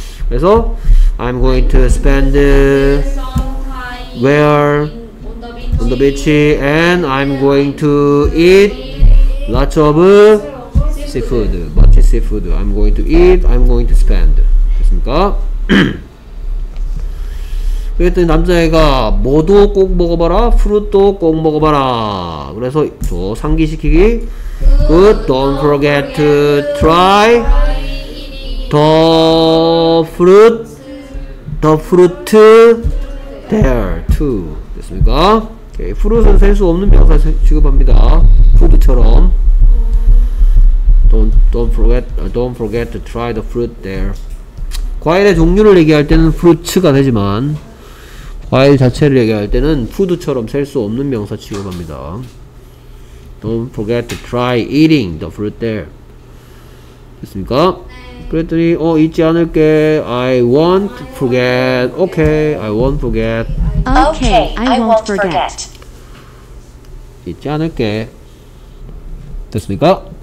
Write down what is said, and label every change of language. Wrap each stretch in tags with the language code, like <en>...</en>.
<ko>그래서</ko> <en>I'm going to spend where? On the beach. And I'm going to eat lots of seafood. Much seafood. I'm going to eat, I'm going to spend.</en> <ko>됐습니까? 그랬더니 남자애가 뭐도 꼭 먹어봐라, 프루트도 꼭 먹어봐라. 그래서 저 상기시키기.</ko> <en>Good. Don't forget to try the fruit there too.</en> <ko>됐습니까? 오케이. 푸르는 셀 수 없는 명사 취급합니다. 푸드처럼.</ko> <en>Don't forget to try the fruit there.</en> <ko>과일의 종류를 얘기할 때는 fruits가 되지만 과일 자체를 얘기할 때는 푸드처럼 셀 수 없는 명사 취급합니다.</ko> <en>Don't forget to try eating the fruit there.</en> <ko>됐습니까? 그랬더니 어 잊지 않을게.</ko> <en>I won't forget. Okay, I won't forget. Okay, I won't forget.</en> <ko>잊지 않을게. 됐습니까?</ko>